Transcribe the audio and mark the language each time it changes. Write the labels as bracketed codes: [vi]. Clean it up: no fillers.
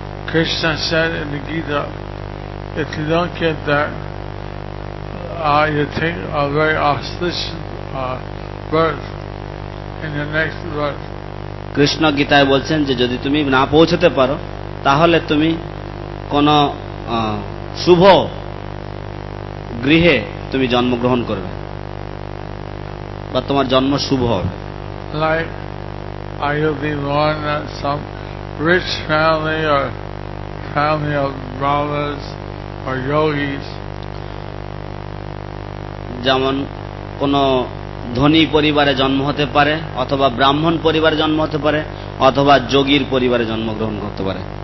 [en] Krishna said in the Gita, if you don't get that, you take a very auspicious birth in your next birth. [bn] Krishna গীতায় বলছেন যে যদি তুমি না পৌঁছতে পারো তাহলে তুমি কোন শুভ গৃহে তুমি জন্মগ্রহণ করবে বা তোমার জন্ম শুভ হবে। [en] Like I will be born in some rich family or family of brahmins or yogis. [bn] যেমন কোন ধনী পরিবারে জন্ম হতে পারে, অথবা ব্রাহ্মণ পরিবারে জন্ম হতে পারে, অথবা যোগীর পরিবারে জন্মগ্রহণ করতে পারে।